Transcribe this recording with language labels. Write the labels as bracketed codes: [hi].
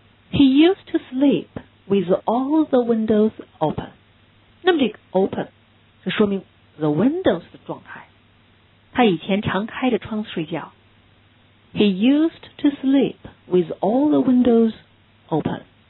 [en] He used to sleep with all the windows open. [zh] 那么这个 open 是说明 the windows 的状态。他以前常开着窗子睡觉。 [en] He used to sleep with all the windows open.